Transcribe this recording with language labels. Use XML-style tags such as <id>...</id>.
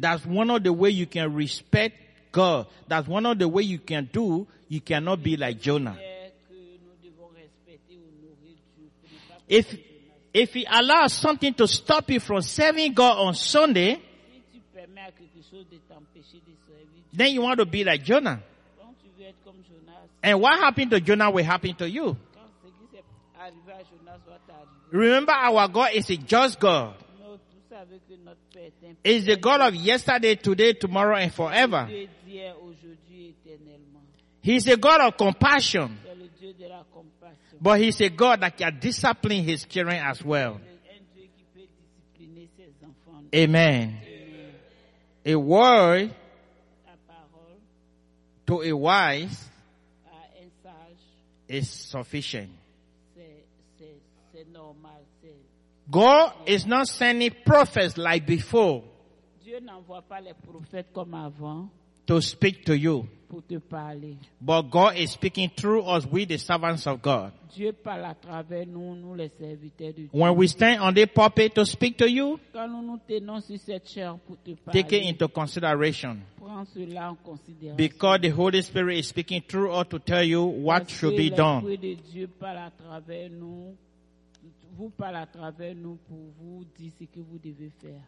<en>That's one of the ways you can respect God. That's one of the ways you can do. You cannot be like Jonah.</en> <fr>Que nous devons respecter ou nourrir Dieu, que nous pas</fr> <en>If he allows something to stop you from serving God on Sunday,</en> <fr>si tu permets à quelque chose de t'empêcher de servir,</fr> <en>then you want to be like Jonah.</en> <fr>Donc, tu veux être comme Jonas.</fr> <en>And what happened to Jonah will happen to you.</en> <fr>Quand ce qui s'est arrivé à Jonas, va t'arriver.</fr> <en>Remember, our God is a just God.</en> <fr>No, tu savais que notre Père est un Père.</fr> <en>He's the God of yesterday, today, tomorrow, and forever.</en> <fr>Dieu est hier, aujourd'hui, éternellement.</fr> <en>He's a God of compassion. But he's a God that can discipline his children as well. Amen. A word to a wise is sufficient.</en> <fr>C'est normal, c'est...</fr> <en>God is not sending prophets like before.</en> <fr>Dieu n'envoie pas les prophètes comme avant.</fr> <en>To speak to you.</en> <fr>Pour te parler.</fr> <en>But God is speaking through us, we the servants of God.</en> <fr>Dieu parle à travers nous, nous les serviteurs de Dieu.</fr> <en>When we stand on the pulpit to speak to you,</en> <fr>quand nous nous tenons sur cette chair pour te parler,</fr> <en>take it into consideration.</en> <fr>Prends cela en considération.</fr> <en>Because the Holy Spirit is speaking through us to tell you what</en> <fr>parce</fr> <en>should be done.</en> <fr>L'Esprit de Dieu parle à travers nous. Vous parlez à travers nous pour vous dire ce que vous devez faire.</fr>